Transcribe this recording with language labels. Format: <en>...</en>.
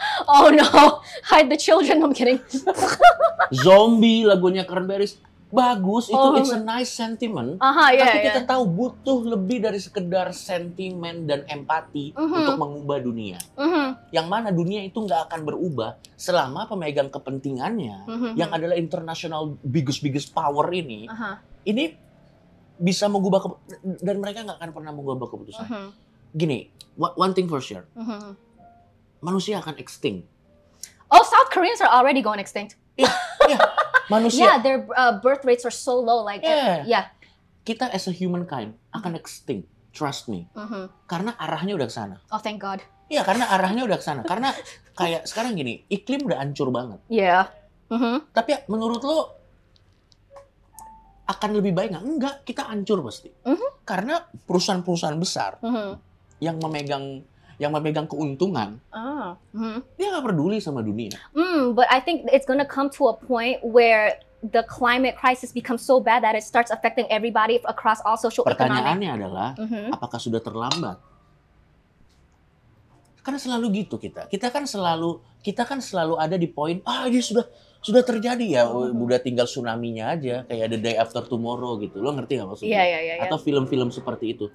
<en>Oh no, hide the children, I'm kidding.</en> <id>Zombie lagunya Cranberries. Bagus, itu</id> <en>it's a nice sentiment.</en> <id>Kita tahu butuh lebih dari sekedar sentimen dan empati untuk mengubah dunia. Yang mana dunia itu gak akan berubah selama pemegang kepentingannya, yang adalah</id> <en>international biggest power</en> <id>ini, ini bisa mengubah dan mereka nggak akan pernah mengubah keputusan.</id> <en>Gini, one thing for sure,</en> <id>manusia akan</id> <en>extinct. Oh, South Koreans are already going extinct.</en> <id>Manusia.</id> <en>Yeah, their birth rates are so low.</en> <id>Kita</id> <en>as a humankind</en> <id>akan extinct.</id> <en>Trust me.</en> <id>Karena arahnya udah kesana.</id> <en>Oh, thank God.</en> <id>Iya, karena arahnya udah kesana. Karena kayak sekarang gini, iklim udah hancur banget. Tapi menurut lo akan lebih baik nggak? Enggak, kita hancur pasti. Karena perusahaan-perusahaan besar yang memegang keuntungan, dia nggak peduli sama dunia.</id> <en>But I think it's gonna come to a point where the climate crisis becomes so bad that it starts affecting everybody across all social.</en> <id>Pertanyaannya adalah, apakah sudah terlambat? Karena selalu gitu kita kan selalu ada di poin, sudah terjadi ya, udah tinggal tsunami-nya aja, kayak The Day After Tomorrow gitu. Lo ngerti gak maksudnya? Iya. Atau film-film seperti itu.</id>